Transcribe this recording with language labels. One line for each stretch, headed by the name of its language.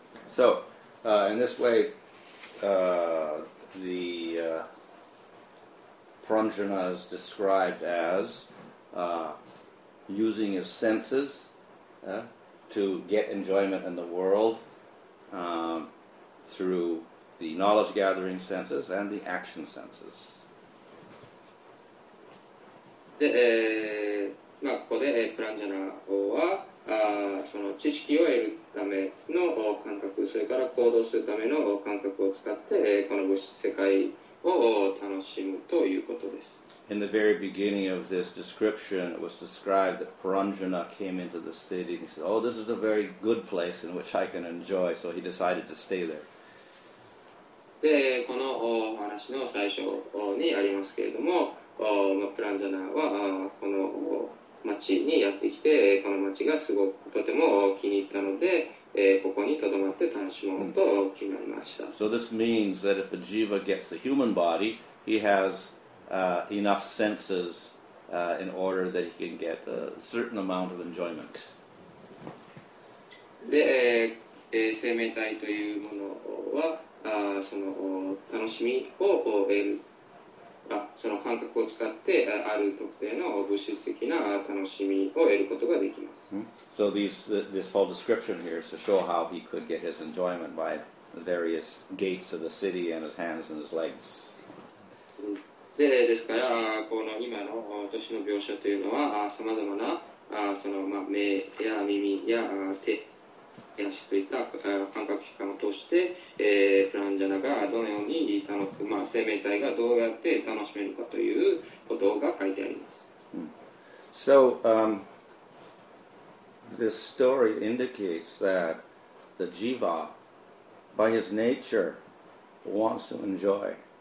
English: So, in this way, the pranjana is described as using his senses to get enjoyment in the world through the knowledge-gathering senses and the action senses.
Japanese: で、まあ、ここで、pranjana は、その知識を得るための感覚、それから行動するための感覚を使って、この物質世界を楽しむということです。
English: In the very beginning of this description, it was described that Paranjana came into the city and said, Oh, this is a very good place in which I can enjoy, so he decided to stay there.
Japanese: で、このお話の最初にありますけれども、Paranjana はこの町にやってきて、この町がすごくとても気に入ったので、ここに留まって楽しもうと決まりました。
English: So this means that if a jiva gets the human body, he has enough senses in order that he can get a certain amount of enjoyment.
Japanese: で、生命体というものは、その楽しみを得る。その感覚を使ってある特定の物質的な楽しみを得ることができます。 Mm-hmm.
English: So this whole description here is to show how he could get his enjoyment by the various gates of the city and his hands and his legs.
Japanese: で、ですから、この今の都市の描写というのは、さまざまな、その、まあ、目や耳や手足といった感覚器官を通して、プランジャナがどのように楽しむ、まあ、生命体がどうやって楽しめるかということが書いてあります。
English: So, this story indicates that the jiva, by his nature, wants to enjoy.